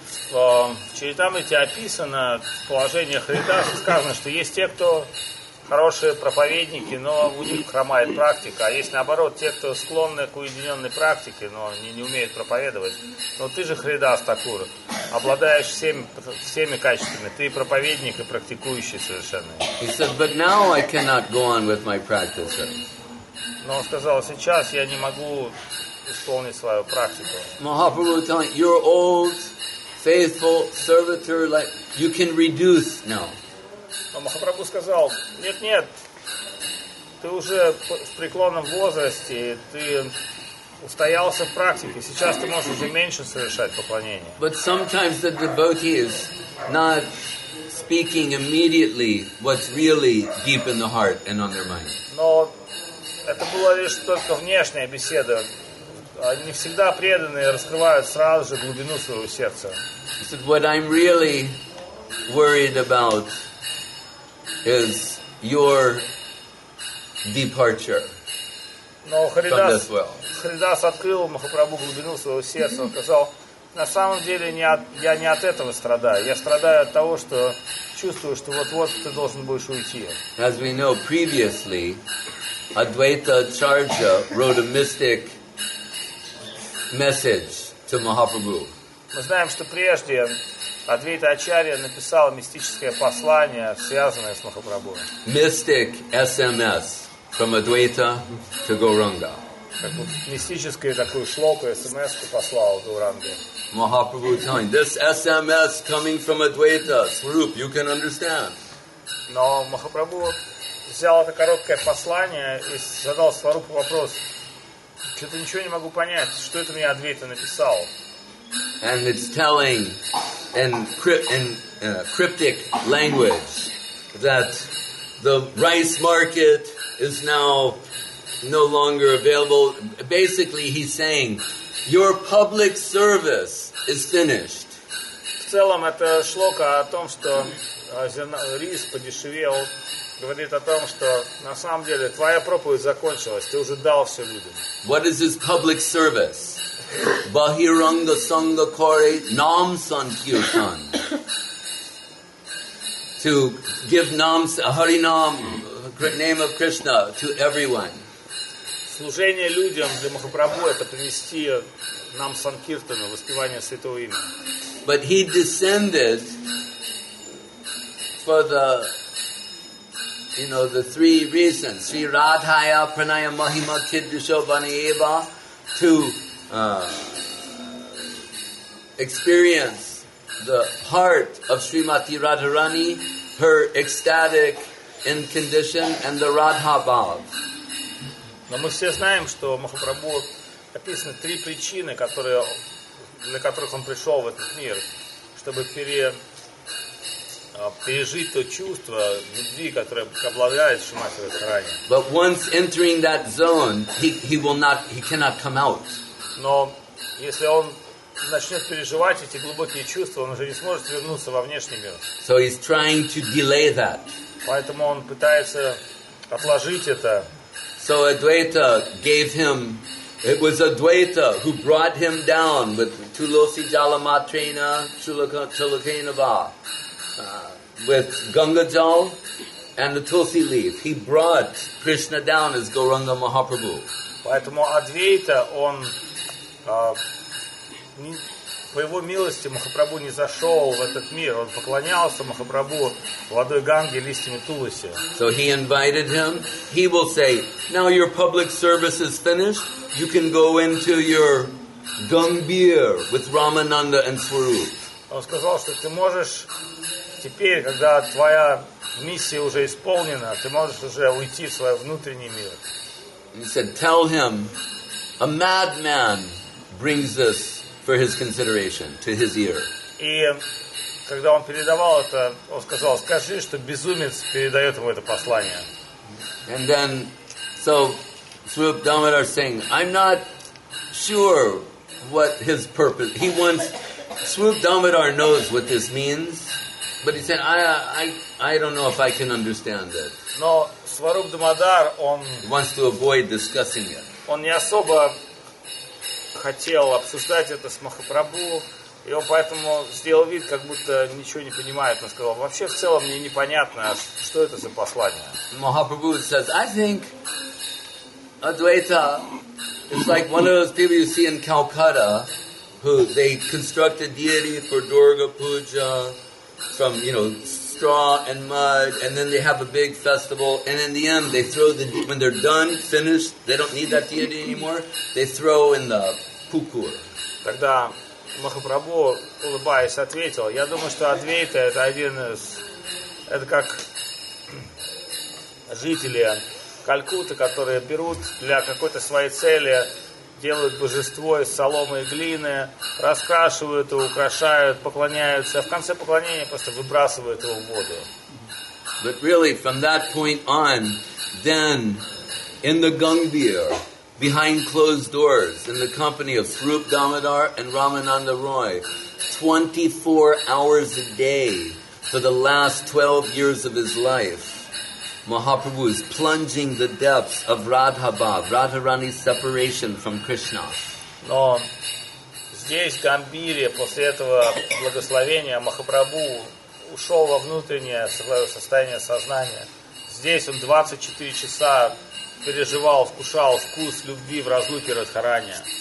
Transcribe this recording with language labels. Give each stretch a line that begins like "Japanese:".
Russian: В Чаритамрите описано положение Харидаса, сказано, что есть те, кто хорошие проповедники, но у них хромает практика, а есть наоборот те, кто склонны к уединенной практике, но не умеют проповедовать. Но ты же Харидас Такур, обладаешь всеми качествами, ты проповедник и практикующий совершенно.
English: He said, but now I cannot go on with my practice.
Russian: Но он сказал, сейчас я не могу исполнить свою практику.
English: Mahaprabhu was telling, you're old, faithful servitor, like you can reduce now.
Russian: Махапрабху сказал, нет, ты уже в преклонном возрасте, ты устоялся в практике, сейчас ты можешь уже меньше совершать поклонение.
English: But sometimes the devotee is not speaking immediately what's really deep in the heart and on their mind.
Russian: Но это была лишь только внешняя беседа. Не всегда преданные раскрывают сразу же глубину своего сердца.
English: He said, what I'm really worried about is your departure from this world.
Russian: Но Харидас открыл Махапрабху глубину своего сердца. Он сказал, на самом деле я не от этого страдаю. Я страдаю от того, что чувствую, что вот-вот ты должен будешь уйти.
English: As we know previously, Advaita Acharya wrote a mystic message to Mahaprabhu.
Russian: Мы знаем, что прежде Адвейта Ачарья написал мистическое послание, связанное с Махапрабху.
English: Mystic SMS from Advaita to Gauranga.
Russian: Мистическое такое шлоку, SMS послал Гауранге.
English: Mahaprabhu telling, this SMS coming from Advaita, Swarup, you can understand.
Russian: Но Махапрабху взял это короткое послание и задал Сварупу вопрос. Что-то ничего не могу понять, что это мне Адвейта написал.
English: And it's telling in cryptic language that the rice market is now no longer available. Basically, he's saying, your public service is finished.
Russian: В целом, это шлока о том, что рис подешевел. Говорит о том, что на самом деле твоя проповедь закончилась, ты уже дал все людям.
English: What is his public service? Bahiranga Sangha Kari Nam Sankirtan. To give Nam Harinam, name of Krishna, to everyone.
Russian: Служение людям для Махапрабху это принести Нам Санкиртану, воспевание святого имени.
English: But he descended for the the three reasons.
Sanskrit: Sri Radhaya Pranaya Mahima Kiddusho Vani Eva
English: to experience the heart of Srimati Radharani, her ecstatic in condition and the Radha Bhav.
Russian: Но мы все знаем, что Махапрабху описаны три причины, для которых он пришел в этот мир, чтобы пережить то чувство любви, которое обладает Шримати Радхарани.
English: But once entering that zone, he cannot come out.
Russian: Но если он начнет переживать эти глубокие чувства, он уже не сможет вернуться во внешний мир.
English: So he's trying to delay that.
Russian: Поэтому он пытается отложить это.
English: So Advaita gave him. It was Advaita who brought him down with
Sanskrit: Tulasi Jalamatrena Chulakinava.
English: With Ganga Jal and the Tulsi leaf, he brought Krishna down as Gauranga Mahaprabhu.
Russian: Поэтому Адвейта он по его милости Махапрабху не зашел в этот мир. Он поклонялся Махапрабху водой Ганги, листьями Тулси.
English: So he invited him. He will say, "Now your public service is finished. You can go into your Gambir with Ramananda and Swarup."
Russian: Он сказал, что ты можешь теперь, когда твоя миссия уже исполнена, ты можешь уже уйти в свой внутренний мир.
English: He said, tell him, a madman brings this for his consideration, to his ear.
Russian: И когда он передавал это, он сказал, скажи, что безумец передает ему это послание.
English: And then, so, Swarup Damodar Singh. I'm not sure what his purpose. He wants. Swarup Damodar knows what this means, but he said, I don't know if I can understand it.
Russian: Но Swarup Damodar он.
English: He wants to avoid discussing it.
Russian: Он не особо хотел обсуждать это с Махапрабху. И он поэтому сделал вид, как будто ничего не понимает. Он сказал, вообще в целом мне непонятно, что это за послание.
English: Махапрабху says, I think Advaita is like one of those people you see in Calcutta who they construct a deity for Durga Puja from, you know, straw and mud, and then they have a big festival, and in the end they throw the, when they're done, finished, they don't need that deity anymore, they throw in the pukur.
Russian: Тогда Махапрабху, улыбаясь, ответил, я думаю, что Адвейта это один из, это как жители Калькутты, которые берут для какой-то своей цели, делают божество из соломы и глины, раскрашивают его, украшают, поклоняются, а в конце поклонения просто выбрасывают его в воду.
English: But really, from that point on, then, in the Gambhir, behind closed doors, in the company of Swarup Damodar and Ramananda Roy, 24 hours a day for the last 12 years of his life, Mahaprabhu is plunging the depths of Radha-bhav, Radharani's separation from Krishna.
Russian: Но здесь, в Гамбире, после этого благословения, Махапрабху ушел во внутреннее состояние сознания. Здесь он 24 часа переживал, вкушал вкус любви в разлуке Радхарани.